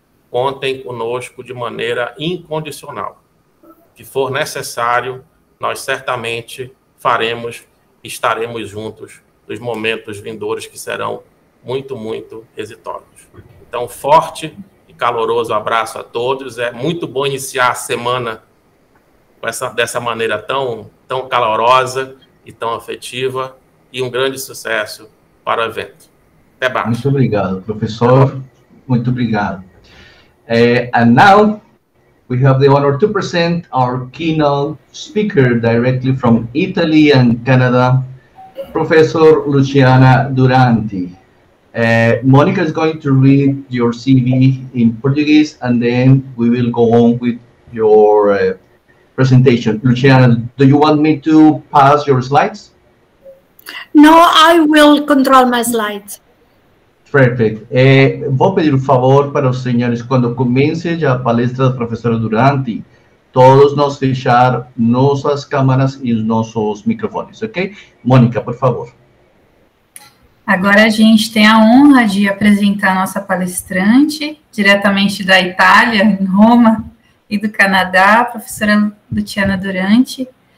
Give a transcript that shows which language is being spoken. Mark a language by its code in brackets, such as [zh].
[pt] Contem conosco de maneira incondicional. O que for necessário, nós certamente faremos, estaremos juntos nos momentos vindouros que serão muito, muito exitosos. Então, forte e caloroso abraço a todos. É muito bom iniciar a semana dessa maneira tão, tão calorosa e tão afetiva, e um grande sucesso para o evento. Até mais. Muito obrigado, professor. Muito obrigado. [en] And now, we have the honor to present our keynote speaker directly from Italy and Canada, Professor Luciana Duranti. Monica is going to read your CV in Portuguese, and then we will go on with your presentation. Luciana, do you want me to pass your slides? No, I will control my slides. [pt] Perfeito. Vou pedir um favor para os senhores, quando comece já a palestra da professora Duranti, todos nós fechar nossas câmeras e nossos microfones, ok? Mônica, por favor. Agora a gente tem a honra de apresentar a nossa palestrante, diretamente da Itália, em Roma, e do Canadá, a professora Luciana Duranti.